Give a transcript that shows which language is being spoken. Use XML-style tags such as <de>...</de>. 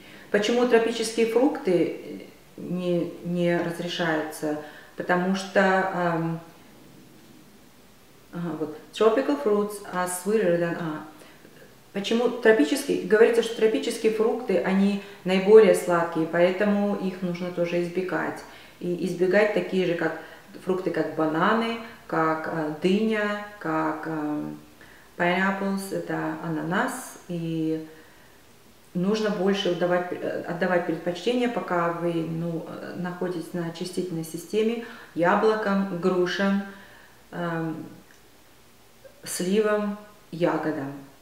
<ru>Почему тропические фрукты не разрешаются? Потому что</ru> <en>tropical fruits are sweeter than...</en> <ru>Почему тропические? Говорится, что тропические фрукты, они наиболее сладкие, поэтому их нужно тоже избегать. И избегать такие же, как фрукты, как бананы, как дыня, как... Pineapples – это ананас, и нужно больше отдавать предпочтение, пока вы находитесь на очистительной системе, яблокам, грушам, сливам, ягодам.</ru>